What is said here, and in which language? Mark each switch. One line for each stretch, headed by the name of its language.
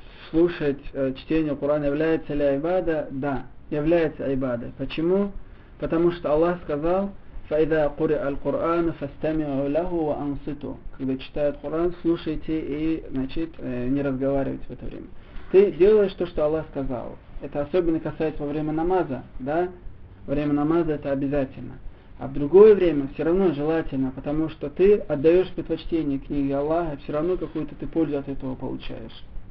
Russian: Слушать чтение Курана является ли айбада? Да, является айбадой. Почему? Потому что Аллах сказал,
Arabic: فَإِذَا قُرِئَ الْقُرْآنَ فَاسْتَمِعُوا لَهُ وَأَنْصِتُوا.
Russian: Когда читают Куран, слушайте и, значит, не разговаривайте в это время. Ты делаешь то, что Аллах сказал. Это особенно касается во время намаза, да? Время намаза это обязательно. А в другое время все равно желательно, потому что ты отдаешь предпочтение книге Аллаха, все равно какую-то ты пользу от этого получаешь.